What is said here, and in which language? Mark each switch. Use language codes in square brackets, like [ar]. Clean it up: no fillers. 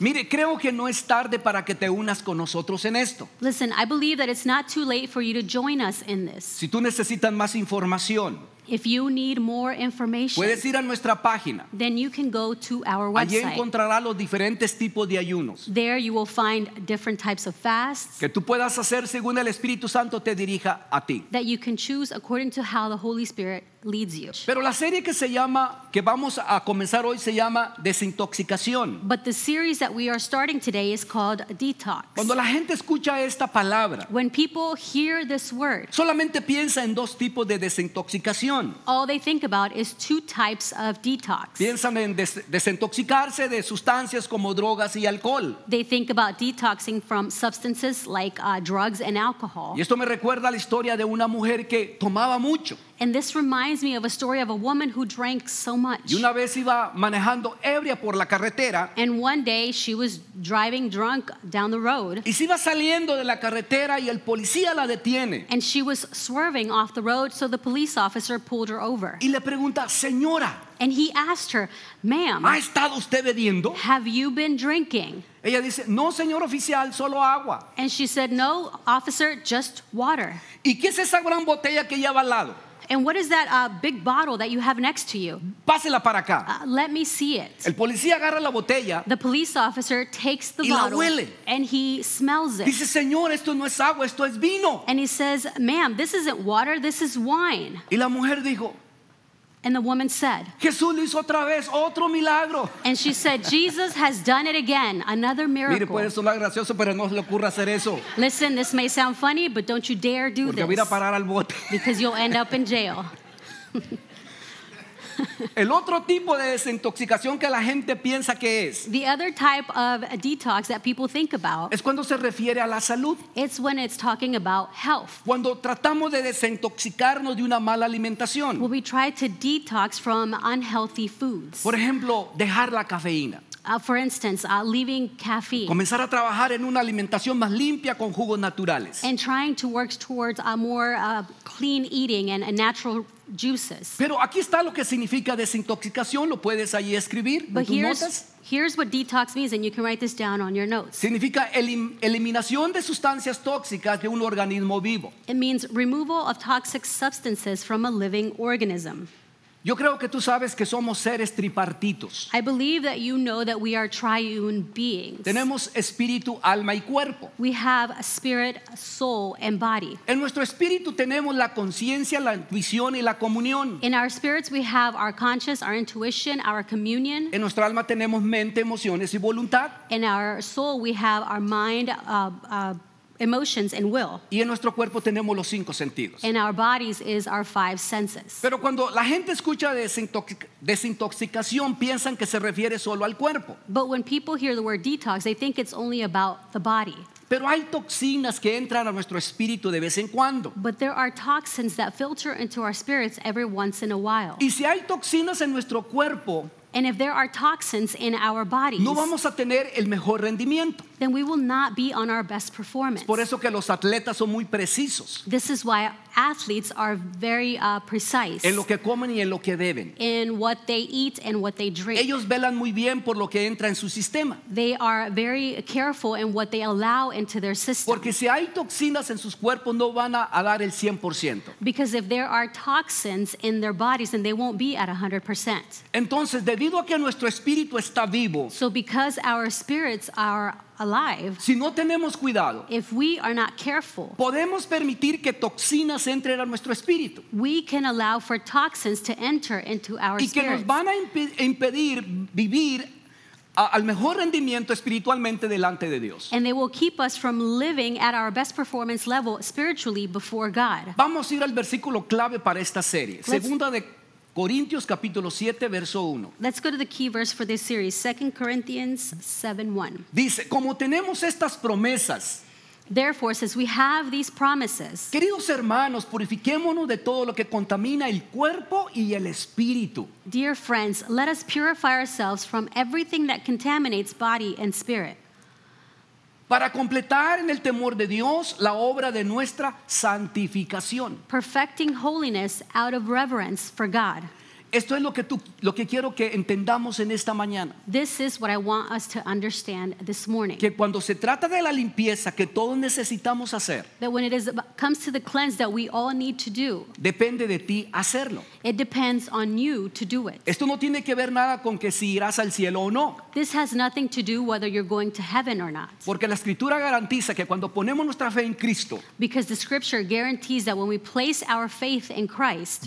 [es] Mire, creo que no es tarde para que te unas con nosotros en esto. [en] Listen, I believe that it's not too late for you to join us in this. [es] Si tú necesitas más información, [en] if you need more information, [es] puedes ir a nuestra página. [en] Then you can go to our website. [es] Allí encontrarás los diferentes tipos de ayunos. [en] There you will find different types of fasts. [es] Que tú puedas hacer según el Espíritu Santo te dirija a ti. [en] That you can choose according to how the Holy Spirit leads you. [es] Pero la serie que se llama, que vamos a comenzar hoy, se llama Desintoxicación. [en] But the series that we are starting today is called Detox. [es] Cuando la gente escucha esta palabra, [en] when people hear this word, [es] solamente piensa en dos tipos de desintoxicación. [en] All they think about is two types of detox. [es] Piensan en desintoxicarse de sustancias como drogas y alcohol. [en] They think about detoxing from substances like drugs and alcohol. [es] Y esto me recuerda a la historia de una mujer que tomaba mucho. [en] And this reminds me of a story of a woman who drank so much. [es] Y una vez iba manejando ebria por la carretera. [en] And one day she was driving drunk down the road. [es] Y se iba saliendo de la carretera y el policía la detiene. [en] And she was swerving off the road, so the police officer pulled her over. [es] Y le pregunta, señora. [en] And he asked her, ma'am, [es] ¿ha estado usted bebiendo? [en] Have you been drinking? [es] Ella dice, no, señor oficial, solo agua. [en] And she said, no, officer, just water. [es] ¿Y qué es esa gran botella que lleva al lado? [en] And what is that big bottle that you have next to you? [es] Pásela para acá. [en] Let me see it. [es] El policía agarra la botella. [en] The police officer takes the bottle. [es] Y la huele. [en] And he smells it. [es] Dice, señor, esto no es agua, esto es vino. [en] And he says, ma'am, this isn't water, this is wine. [es] Y la mujer dijo. [en] And the woman said. [es] Jesús lo hizo otra vez, otro milagro. [en] And she said, Jesus has done it again, another miracle. [es] Mire, puede sonar gracioso, pero no se le ocurra hacer eso. [en] Listen, this may sound funny, but don't you dare do [es] porque [en] this. [es] Porque voy a parar al bote. [en] Because you'll end up in jail. [es] El otro tipo de desintoxicación que la gente piensa que es. [en] The other type of detox that people think about. [es] Es cuando se refiere a la salud. [en] It's when it's talking about health. [es] Cuando tratamos de desintoxicarnos de una mala alimentación. [en] When we try to detox from unhealthy foods. [es] Por ejemplo, dejar la cafeína. [en] For instance, leaving caffeine. [es] Comenzar a trabajar en una alimentación más limpia con jugos naturales. [en] And trying to work towards a more clean eating and a natural juices. [es] Pero aquí está lo que significa desintoxicación, lo puedes ahí escribir [en] but [es] en tus notas. [en] Here's what detox means, and you can write this down on your notes. [es] Significa eliminación de sustancias tóxicas de un organismo vivo. [en] It means removal of toxic substances from a living organism. [es] Yo creo que tú sabes que somos seres tripartitos. [en] I believe that you know that we are triune beings. [es] Tenemos espíritu, alma y cuerpo. [en] We have a spirit, a soul, and body. [es] En nuestro espíritu tenemos la conciencia, la intuición y la comunión. [en] In our spirits we have our conscience, our intuition, our communion. [es] En nuestra alma tenemos mente, emociones y voluntad. [en] In our soul we have our mind, emotions and will. [es] Y en nuestro cuerpo tenemos los cinco sentidos. [en] In our bodies is our five senses. [es] Pero cuando la gente escucha desintoxicación, piensan que se refiere solo al cuerpo. [en] But when people hear the word detox, they think it's only about the body. [es] Pero hay toxinas que entran a nuestro espíritu de vez en cuando. [en] But there are toxins that filter into our spirits every once in a while. [es] Y si hay toxinas en nuestro cuerpo, [en] and if there are toxins in our bodies, [es] no vamos a tener el mejor rendimiento. [en] then we will not be on our best performance. [es] Por eso que los atletas son muy precisos. [en] This is why athletes are very precise. [es] En lo que comen y en lo que beben. [en] In what they eat and what they drink. [es] Ellos velan muy bien por lo que entra en su sistema. [en] They are very careful in what they allow into their system. [es] Porque si hay toxinas en sus cuerpos no van a dar el 100%. [en] Because if there are toxins in their bodies then they won't be at 100%. [es] Entonces, debido a que nuestro espíritu está vivo. [en] So because our spirits are alive, [es] si no tenemos cuidado, [en] if we are not careful, [es] podemos permitir que toxinas entren a nuestro espíritu. [en] We can allow for toxins to enter into our [es] spirit. Y que nos van a impedir vivir al mejor rendimiento espiritualmente delante de Dios. [en] And they will keep us from living at our best performance level spiritually before God. [es] Vamos a ir al versículo clave para esta serie. Let's, Segunda de Corintios capítulo 7 verso 1. [en] Let's go to the key verse for this series, 2 Corinthians 7:1. [es] Dice, como tenemos estas promesas. [en] Therefore, since we have these promises. [es] Queridos hermanos, purifiquémonos de todo lo que contamina el cuerpo y el espíritu. [en] Dear friends, let us purify ourselves from everything that contaminates body and spirit. [es] Para completar en el temor de Dios la obra de nuestra santificación. [en] Perfecting holiness out of reverence for God. [es] Esto es lo que quiero que entendamos en esta mañana. [en] This is what I want us to understand this morning. [es] Que cuando se trata de la limpieza que todos necesitamos hacer. [en] That when it is, comes to the cleanse that we all need to do. [es] Depende de ti hacerlo. [en] It depends on you to do it. [es] Esto no tiene que ver nada con que si irás al cielo o no. [en] This has nothing to do whether you're going to heaven or not. [es] Porque la escritura garantiza que cuando ponemos nuestra fe en Cristo. [en] Because the scripture guarantees that when we place our faith in Christ.